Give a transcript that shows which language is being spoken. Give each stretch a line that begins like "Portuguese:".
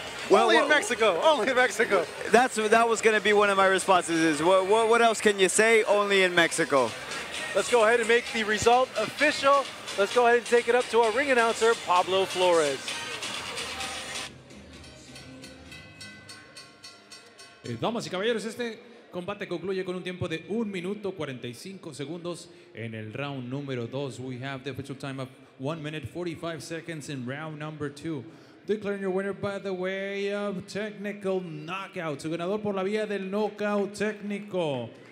English: Only in Mexico. That was going to be one of my responses. What else can you say? Only in Mexico. Let's go ahead and make the result official. Let's go ahead and take it up to our ring announcer, Pablo Flores.
Spanish: Damas y caballeros, este combate concluye con un tiempo de 1 minuto 45 segundos en el round número 2.
English: We have the official time of 1 minute 45 seconds in round number 2. Declaring your winner by the way of technical knockout.
Spanish: Su ganador por la vía del knockout técnico.